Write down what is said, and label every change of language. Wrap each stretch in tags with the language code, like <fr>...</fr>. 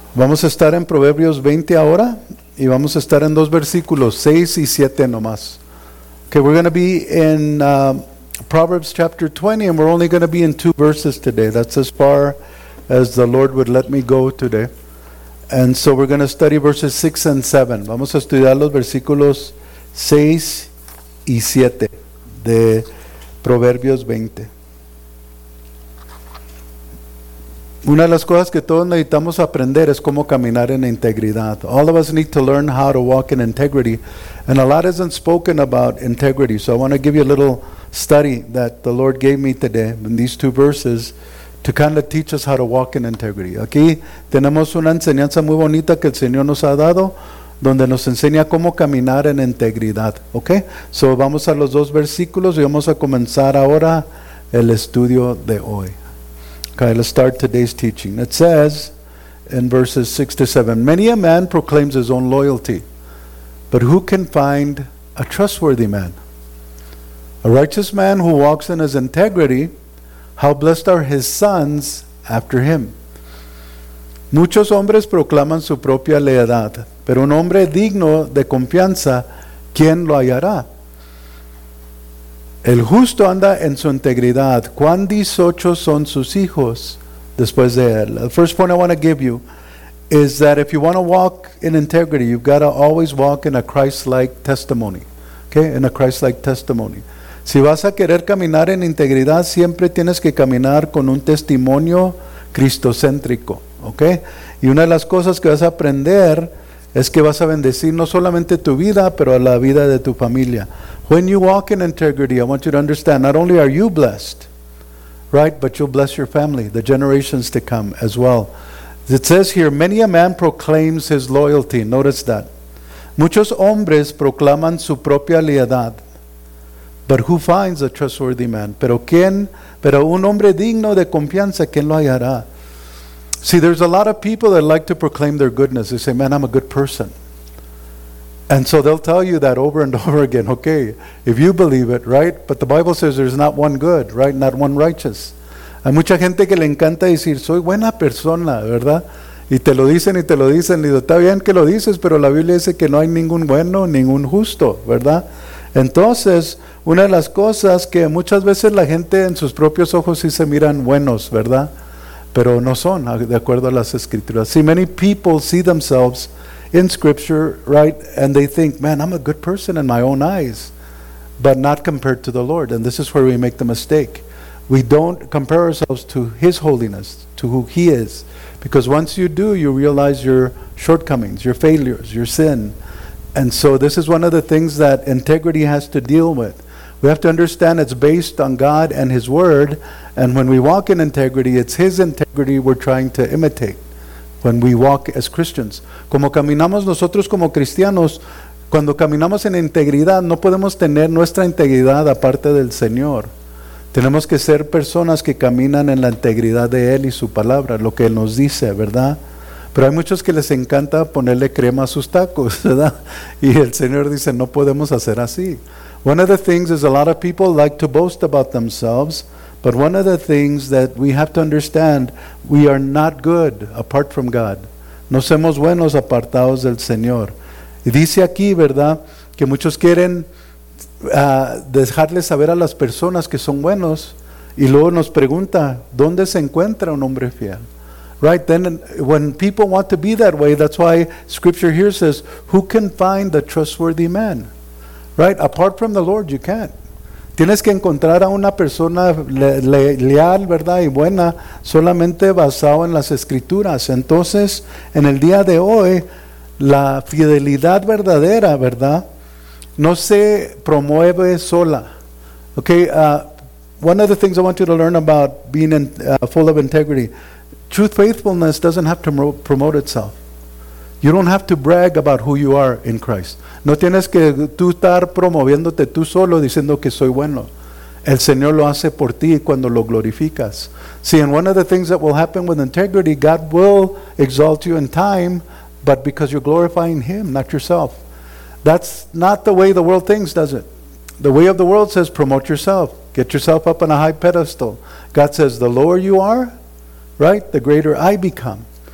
<es>Vamos a estar en Proverbios 20 ahora y vamos a estar en dos versículos, 6 y 7 nomás.</es> <en>Okay, we're going to be in Proverbs chapter 20 and we're only going to be in two verses today. That's as far as the Lord would let me go today. And so we're going to study verses 6 and 7.</en> <es>Vamos a estudiar los versículos 6 y 7 de Proverbios 20. Una de las cosas que todos necesitamos aprender es cómo caminar en integridad.</es> <en>All of us need to learn how to walk in integrity. And a lot isn't spoken about integrity. So I want to give you a little study that the Lord gave me today in these two verses to kind of teach us how to walk in integrity.</en> <es>Aquí tenemos una enseñanza muy bonita que el Señor nos ha dado donde nos enseña cómo caminar en integridad. Okay? So vamos a los dos versículos y vamos a comenzar ahora el estudio de hoy.</es> <en>Okay, let's start today's teaching. It says in verses 6 to 7, many a man proclaims his own loyalty, but who can find a trustworthy man? A righteous man who walks in his integrity, how blessed are his sons after him.</en> <es>Muchos hombres proclaman su propia lealtad, pero un hombre digno de confianza, ¿quién lo hallará? El justo anda en su integridad. ¿Cuán dichosos son sus hijos después de él?</es> <en>The first point I want to give you is that if you want to walk in integrity, you've got to always walk in a Christ-like testimony. Okay? In a Christ-like testimony.</en> <es>Si vas a querer caminar en integridad, siempre tienes que caminar con un testimonio cristocéntrico. Okay? Y una de las cosas que vas a aprender es que vas a bendecir no solamente tu vida, pero a la vida de tu familia.</es> <en>When you walk in integrity, I want you to understand, not only are you blessed, right, but you'll bless your family, the generations to come as well. It says here, many a man proclaims his loyalty. Notice that.</en> <es>Muchos hombres proclaman su propia lealtad.</es> <en>But who finds a trustworthy man?</en> <es>Pero quién, pero un hombre digno de confianza, ¿quién lo hallará?</es> <en>See, there's a lot of people that like to proclaim their goodness. They say, man, I'm a good person. And so they'll tell you that over and over again, okay, if you believe it, right? But the Bible says there's not one good, right? Not one righteous.</en> <es>Hay mucha gente que le encanta decir, soy buena persona, ¿verdad? Y te lo dicen y te lo dicen. Y digo, está bien que lo dices, pero la Biblia dice que no hay ningún bueno, ningún justo, ¿verdad? Entonces, una de las cosas que muchas veces la gente en sus propios ojos sí se miran buenos, ¿verdad? Pero no son, de acuerdo a las Escrituras.</es> <en>See, many people see themselves in Scripture, right? And they think, man, I'm a good person in my own eyes, but not compared to the Lord. And this is where we make the mistake. We don't compare ourselves to His holiness, to who He is. Because once you do, you realize your shortcomings, your failures, your sin. And so this is one of the things that integrity has to deal with. We have to understand it's based on God and His Word. And when we walk in integrity, it's His integrity we're trying to imitate. When we walk as Christians,</en> <es>como caminamos nosotros como cristianos, cuando caminamos en integridad, no podemos tener nuestra integridad aparte del Señor. Tenemos que ser personas que caminan en la integridad de Él y su palabra, lo que Él nos dice, ¿verdad? Pero hay muchos que les encanta ponerle crema a sus tacos, ¿verdad? Y el Señor dice, no podemos hacer así.</es> <en>One of the things is a lot of people like to boast about themselves. But one of the things that we have to understand, we are not good apart from God.</en> <es>No somos buenos apartados del Señor. Y dice aquí, ¿verdad?, que muchos quieren dejarle saber a las personas que son buenos. Y luego nos pregunta, ¿dónde se encuentra un hombre fiel?</es> <en>Right, then when people want to be that way, that's why Scripture here says, who can find a trustworthy man? Right, apart from the Lord, you can't.</en> <es>Tienes que encontrar a una persona leal, ¿verdad? Y buena, solamente basado en las Escrituras. Entonces, en el día de hoy, la fidelidad verdadera, ¿verdad?, no se promueve sola.</es> <en>Okay, one of the things I want you to learn about being full of integrity, truth faithfulness doesn't have to promote itself. You don't have to brag about who you are in Christ.</en> <es>No tienes que tú estar promoviéndote tú solo diciendo que soy bueno. El Señor lo hace por ti cuando lo glorificas.</es> <en>See, and one of the things that will happen with integrity, God will exalt you in time, but because you're glorifying Him, not yourself. That's not the way the world thinks, does it? The way of the world says promote yourself. Get yourself up on a high pedestal. God says the lower you are, right, the greater I become.</en>